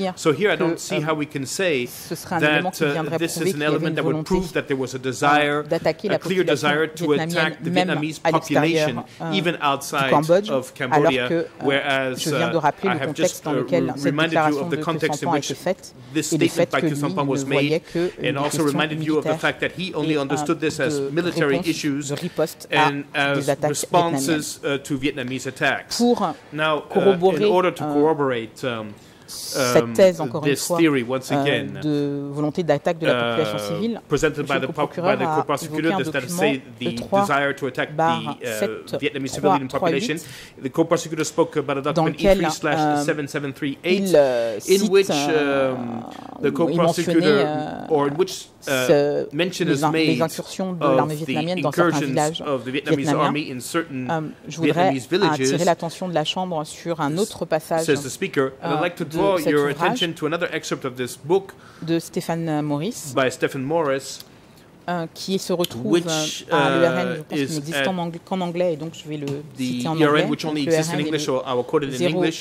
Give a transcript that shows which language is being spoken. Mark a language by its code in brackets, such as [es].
[en] So here I don't see how we can say that this is an element that would prove that there was a desire, a clear desire to attack the Vietnamese population, even outside of Cambodia, whereas I have just reminded you of the context in which this statement by Que Son Pong was made, and also reminded you of the fact that he only understood this as military issues and as responses to Vietnamese attacks. Now, in order to corroborate [fr] cette thèse, encore une fois, [en] theory, again, [fr] de volonté d'attaque de la population civile, [en] presented by the co-prosecutor, does that say the desire to attack the Vietnamese civilian population? The co-prosecutor spoke about a document E3/7738, in which the co-prosecutor, or in which mention is made of the incursions of the Vietnamese army in certain Vietnamese villages. [fr] Attirer l'attention de la chambre sur un autre passage. [en] Says the speaker, and I'd like to draw your attention to another excerpt of this book [fr] de Stephen Morris, [en] by Stephen Morris, [fr] qui se retrouve à l'URN, je pense qu'il n'existe qu'en anglais, et donc je vais le citer en anglais. [en] The ERN, which only exists in English, so I will quote it in English.